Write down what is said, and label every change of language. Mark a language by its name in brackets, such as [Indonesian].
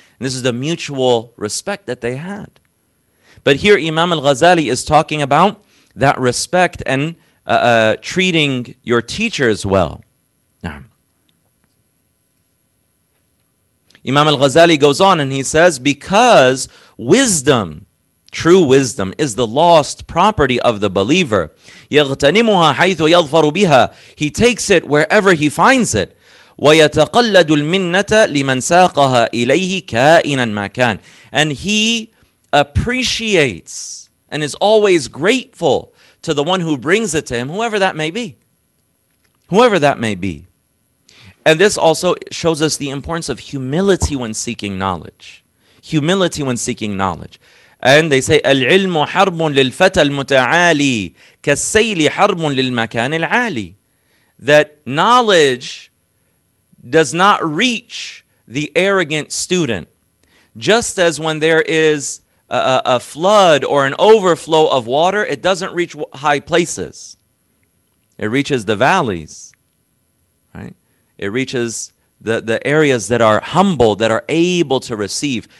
[English] And this is the mutual respect that they had. But here Imam al-Ghazali is talking about that respect and treating your teachers well. Now, Imam al-Ghazali goes on and he says, because wisdom, true wisdom, is the lost property of the believer. [Arabic] يغتنمها حيث يظفر بها. [English] He takes it wherever he finds it. [Arabic] ويتقلد المنة لمن ساقها إليه كائنا ما كان. [English] And he appreciates and is always grateful to the one who brings it to him, whoever that may be. Whoever that may be. And this also shows us the importance of humility when seeking knowledge. Humility when seeking knowledge. And they say, [Arabic] العلم حرب للفتى المتعالي كالسيل حرب للمكان العالي. [English] That knowledge does not reach the arrogant student. Just as when there is a flood or an overflow of water, it doesn't reach high places. It reaches the valleys, right? It reaches the areas that are humble, that are able to receive.